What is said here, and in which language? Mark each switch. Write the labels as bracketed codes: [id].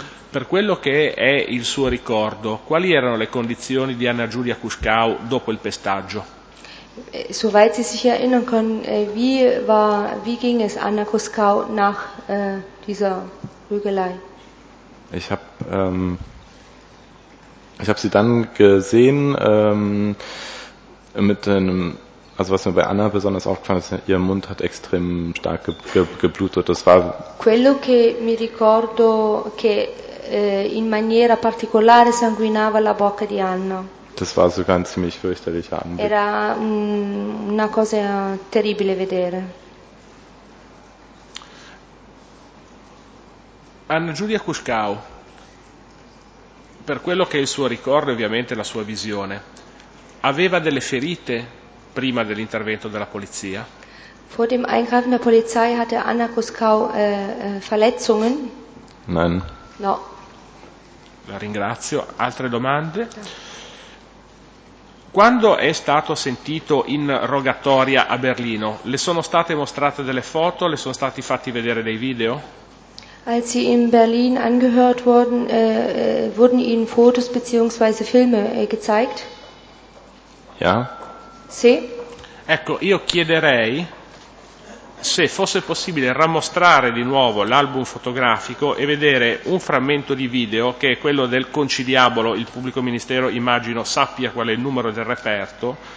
[it] Per quello che è il suo ricordo, quali erano le condizioni di Anna Giulia Cuscao dopo il pestaggio? [de] Soweit Sie sich erinnern können, wie ging es Anna Cuscao nach dieser Prügelei? Ich hab sie dann gesehen mit einem, also was mir bei Anna besonders aufgefallen ist, ihr Mund hat extrem stark geblutet. Das war [it] quello che mi ricordo, che in maniera particolare sanguinava la bocca di Anna. [de] Das war sogar ein ziemlich fürchterlicher Anblick. [it] Era una cosa terribile vedere. Anna Giulia Cuscao, per quello che è il suo ricordo e ovviamente la sua visione, aveva delle ferite prima dell'intervento della polizia? [de] Vor dem Eingreifen der Polizei hatte Anna Cuscao Verletzungen? Nein. [it] No. La ringrazio. Altre domande? Quando è stato sentito in rogatoria a Berlino, le sono state mostrate delle foto, le sono stati fatti vedere dei video? [de] Als sie in Berlin angehört wurden, wurden ihnen Fotos bzw. Filme gezeigt? Ja. [it] Sì. Ecco, io chiederei se fosse possibile rammostrare di nuovo l'album fotografico e vedere un frammento di video, che è quello del conciliabolo, il pubblico ministero immagino sappia qual è il numero del reperto,